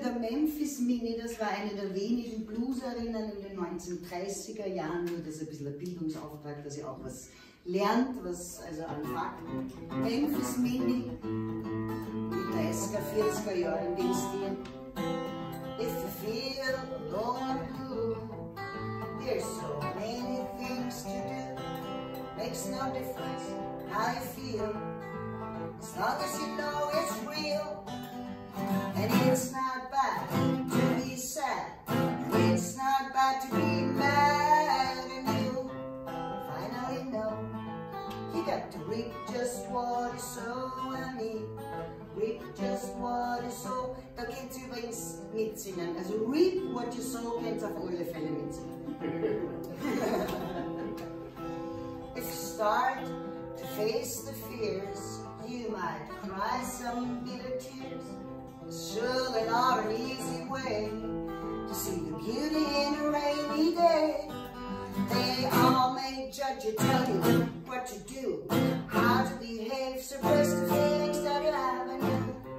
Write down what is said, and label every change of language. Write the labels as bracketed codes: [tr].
[de] Memphis Minnie, das war eine der wenigen Blueserinnen in den 1930er Jahren. Nur das ist ein bisschen ein Bildungsauftrag, dass ihr auch was lernt, was also an Fakten. Memphis Minnie, die 30er, 40er Jahre im Dienstier. [en] If you feel all blue, there's so many things to do. Makes no difference how you feel, as long as you know it's real. And it's not bad to be sad, it's not bad to be mad. And you finally know, you got to reap just what you sow. I mean, reap just what you sow. [de] Da geht's übrigens mitsingen. Also [en] reap what you sow, [de] kennt's auf alle Fälle mitsingen. [en] If you start to face the fears, you might cry some bitter tears. Surely not an easy way to see the beauty in a rainy day. They all may judge you, tell you what to do, how to behave, suppress the feelings that you have in you.